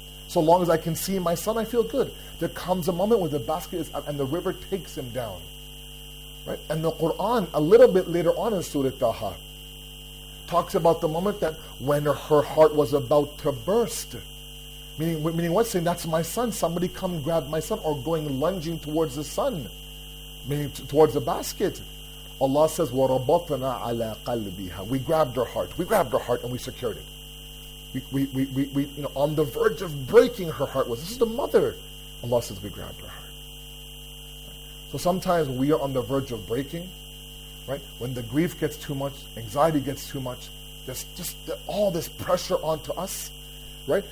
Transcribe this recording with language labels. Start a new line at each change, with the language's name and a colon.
English: So long as I can see my son, I feel good. There comes a moment where the basket is up and the river takes him down. Right? And the Quran, a little bit later on in Surah Taha, talks about the moment that when her heart was about to burst. Meaning what? Saying, that's my son. Somebody come grab my son. Or going lunging towards the son. Meaning towards the basket. Allah says,
Arabic: وَرَبَطْنَا عَلَى قَلْبِهَا.
English: We grabbed her heart. We grabbed her heart and we secured it. We you know, on the verge of breaking her heart was, this is the mother. Allah says, we grabbed her heart. So sometimes we are on the verge of breaking, right? When the grief gets too much, anxiety gets too much, there's just all this pressure onto us, right?